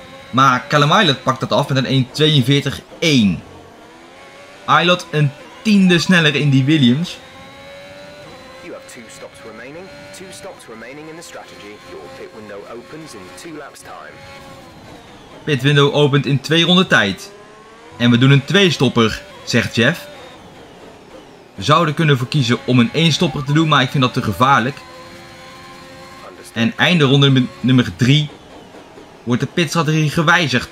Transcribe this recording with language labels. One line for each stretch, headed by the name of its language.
Dutch: Maar Callum Ilott pakt dat af met een 1.42.1. Ilott een tiende sneller in die Williams.
English: You have two stops remaining. Two stops remaining in the strategy. Your pit window opens in two laps time.
Dutch: Pit window opent in twee ronden tijd. En we doen een tweestopper, zegt Jeff. We zouden kunnen verkiezen om een eenstopper te doen, maar ik vind dat te gevaarlijk. En einde ronde nummer 3 wordt de pitstrategie gewijzigd.